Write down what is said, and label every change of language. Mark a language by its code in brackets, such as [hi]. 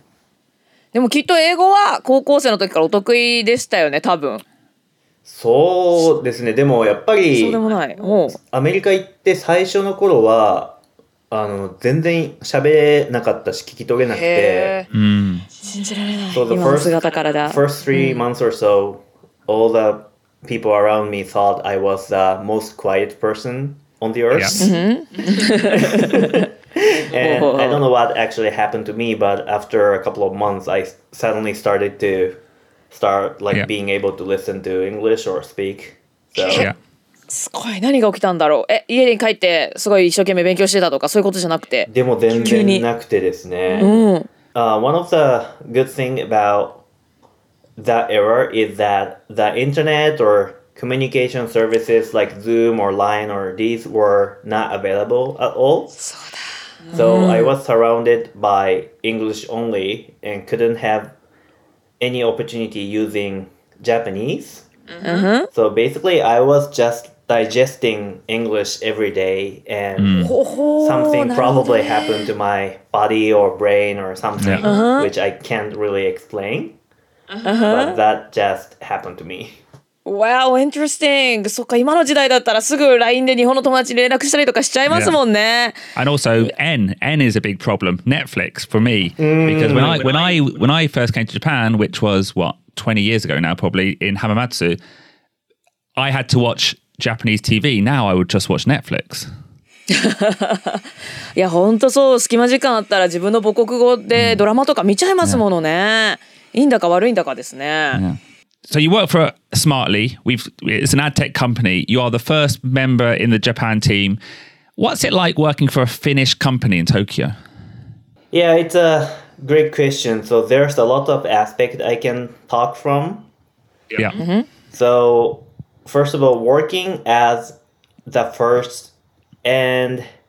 [ja] へー、でもきっと英語は高校生の時からお得意でしたよね、多分。そうですね、でもやっぱりそうでもないもうアメリカ行って最初の頃はあの全然喋れなかったし聞き取れなくて、信じられない、so、今の姿からだ。 [en] first three months or so、うん、all the people around me thought I was the most quiet person on the earth、 yeah. and I don't know what actually happened to me, but after a couple of months I suddenly started toStart like、yeah. being able to listen to English or speak. So, yeah. [ja] すごい、何が起きたんだろう。え、家に帰ってすごい一生懸命勉強してたとかそういうことじゃなくて。でも全然なくてですね。うん。 [en] One of the good thing about that era is that the internet or communication services like Zoom or Line or these were not available at all. [ja] そうだ。 [en] So I was surrounded by English only and couldn't haveany opportunity using Japanese.、 Uh-huh. So basically, I was just digesting English every day and、something probably happened to my body or brain or something、which I can't really explain.、But that just happened to me. Wow, interesting. [ja] そっか、今の時代だったらすぐ LINE で日本の友達に連絡したりとかしちゃいますもんね。 [en] Yeah. And also, N is a big problem. Netflix, for me.、Because when I first came to Japan, which was, what, 20 years ago now, probably, in Hamamatsu, I had to watch Japanese TV. Now I would just watch Netflix. [ja] いや、ほんとそう。隙間時間あったら自分の母国語でドラマとか見ちゃいますものね。いいんだか悪いんだかですね。 [en] So you work for Smartly. It's an ad tech company. You are the first member in the Japan team. What's it like working for a Finnish company in Tokyo? Yeah, it's a great question. So there's a lot of aspect I can talk from. Yeah. Mm-hmm. So first of all, working as the first and